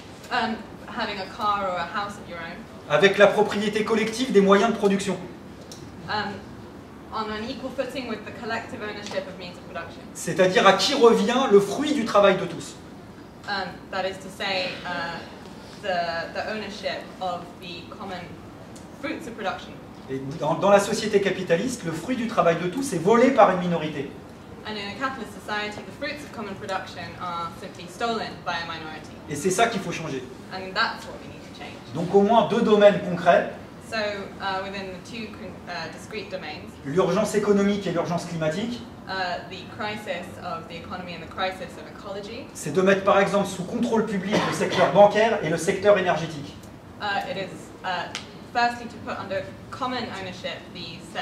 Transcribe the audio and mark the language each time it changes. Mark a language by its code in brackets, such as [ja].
[en] Having a car or a house of your own. [fr] Avec la propriété collective des moyens de production. [en] On an equal footing with the collective ownership of means of production. [fr] C'est-à-dire à qui revient le fruit du travail de tous. [en] That is to say, the ownership of the common fruits of production. [fr] Et dans la société capitaliste, le fruit du travail de tous est volé par une minorité. [en] And in a capitalist society, the fruits of common production are simply stolen by a minority. [fr] Et c'est ça qu'il faut changer. [en] And that's what we need to change. [fr] Donc au moins deux domaines concrets. [en] So, within the two discrete domains, [fr] l'urgence économique et l'urgence climatique, [en] the crisis of the economy and the crisis of ecology, [fr] c'est de mettre par exemple sous contrôle public le secteur bancaire et le secteur énergétique. [en] It is firstly to put under common ownership the